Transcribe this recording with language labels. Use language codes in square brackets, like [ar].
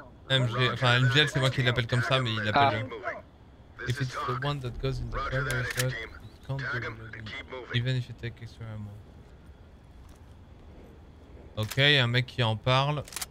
[fr] MGL, c'est moi qui l'appelle comme ça, mais il l'appelle... Ah. [en] If it's the one that goes in the corner, it can't be reloaded, even if it takes extra ammo. [fr] Ok, il y a un mec qui en parle.